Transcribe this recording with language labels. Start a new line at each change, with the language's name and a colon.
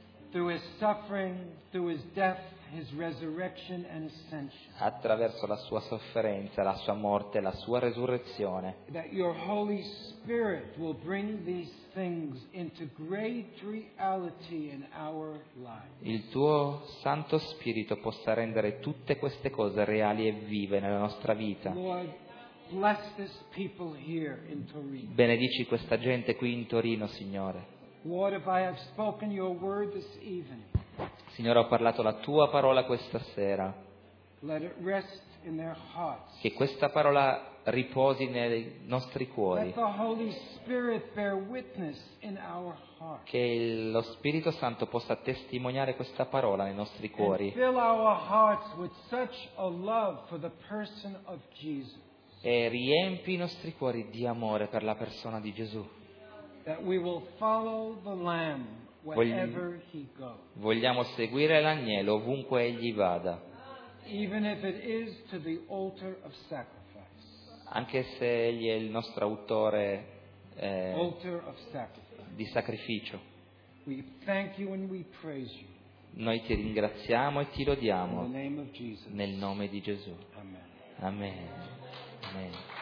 English: Through his suffering, through his death, his resurrection and ascension.
Italian: Attraverso la sua sofferenza, la sua morte, la sua resurrezione.
English: That your Holy Spirit will bring these things into great reality in our lives.
Italian: Il tuo Santo Spirito possa rendere tutte queste cose reali e vive nella nostra vita.
English: Lord, bless this people here in Torino.
Italian: Benedici questa gente qui in Torino, Signore.
English: Lord, if I have spoken your word this evening.
Italian: Signore, ho parlato la tua parola questa sera.
English: Let it rest in their hearts.
Italian: Che questa parola riposi nei nostri cuori.
English: Let the Holy Spirit bear witness in our hearts.
Italian: Che lo Spirito Santo possa testimoniare questa parola nei nostri cuori.
English: And fill our hearts with such a love for the person of Jesus.
Italian: E riempi i nostri cuori di amore per la persona di Gesù.
English: That we will follow the Lamb wherever he goes.
Italian: Vogliamo seguire l'agnello ovunque egli vada.
English: Even if it is to the altar of sacrifice.
Italian: Anche se egli è il nostro autore
English: altar of sacrifice.
Italian: Di sacrificio.
English: We thank you and we praise you.
Italian: Noi ti ringraziamo e ti lodiamo.
English: In the name of Jesus.
Italian: Nel nome di Gesù. Amen. Amen. Amen.